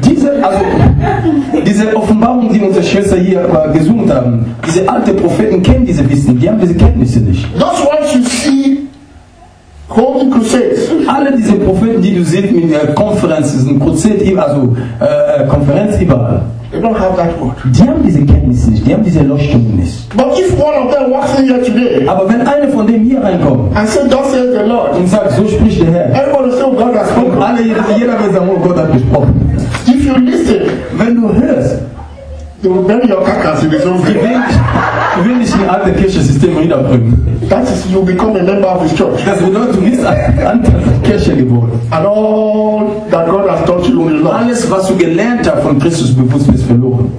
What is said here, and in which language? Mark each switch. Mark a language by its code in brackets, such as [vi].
[de] Diese Offenbarung, die unsere Schwester hier gesucht haben, diese alten Propheten kennen diese Wissen, die haben diese Kenntnisse nicht. [en] That's what you see. Holy Crusades. [de] Alle diese Propheten, die du siehst in Konferenzen, Konferenz überall. [en] They don't have that word. [de] Die haben diese Kenntnis nicht, die haben diese Erleuchtung nicht. [en] But if one of them walks in here today, [de] aber wenn einer von denen hier reinkommt [en] and say, "Thus says the Lord," [de] und sagt, so spricht der Herr, [en] everyone will say, oh, God has spoken. [de] Jeder wird sagen, oh, Gott hat gesprochen. [en] If you listen, [de] wenn du hörst, [en] they will bury your carcass in the zone. [de] Die will nicht in alte Kirchensysteme niederbringen. [en] That is, you become a member of his church. [de] Das bedeutet, du bist an der Kirche geboren. [en] And all that God has taught you will not. [de] Alles, was du gelernt hast von Christus, bewusst ist verloren.